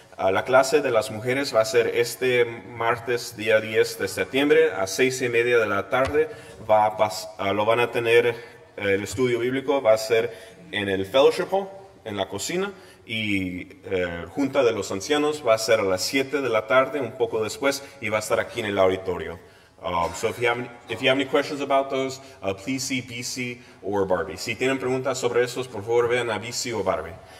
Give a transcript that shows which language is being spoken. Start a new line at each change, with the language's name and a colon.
Spanish: La clase de las mujeres va a ser este martes, día 10 de septiembre, a 6:30 de la tarde. Lo van a tener el estudio bíblico, va a ser en el fellowship hall, en la cocina. Y junta de los ancianos va a ser a las 7 de la tarde, un poco después, y va a estar aquí en el auditorio.
English: So if you have any questions about those, please see BC or Barbie.
Spanish: Si tienen preguntas sobre esos, por favor vean a BC o Barbie.